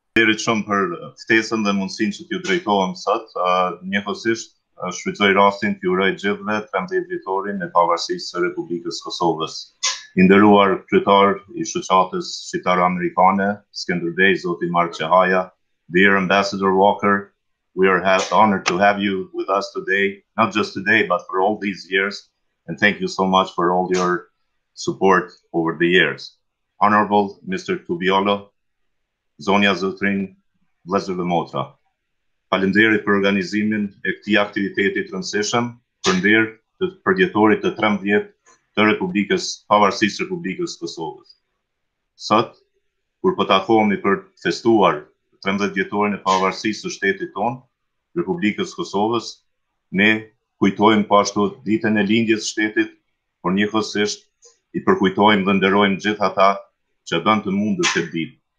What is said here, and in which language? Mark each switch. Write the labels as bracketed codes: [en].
[sq] Faleminderit shumë për ftesën dhe mundësinë që t'ju drejtohem sot. Njëkohësisht, shfrytëzoj rastin t'ju uroj gjithëve 13 vjetorin e pavarësisë së Republikës së Kosovës. I nderuar kryetar I shoqatës shqiptaro-amerikane, Skënder Bej, zoti Mark Çehaja. [en] Dear Ambassador Walker, we are honored to have you with us today, not just today, but for all these years, and thank you so much for all your support over the years. Honorable Mr. [sq] Tubiolo, Zonja Zotrin, Vlezër dhe Motra, falënderit për organizimin e këtij aktiviteti transition për ndër të përgjetorit të 13 të Republikës, pavarësisë Republikës Kosovës. Sot, kur po takohemi për të festuar 13 vjetorin e pavarësisë së shtetit tonë, Republikës Kosovës, ne kujtojmë pashtu ditën e lindjes shtetit, por njëkohësisht I përkujtojmë dhe nderojmë gjithë ata që dhanë të mundur këtë ditë.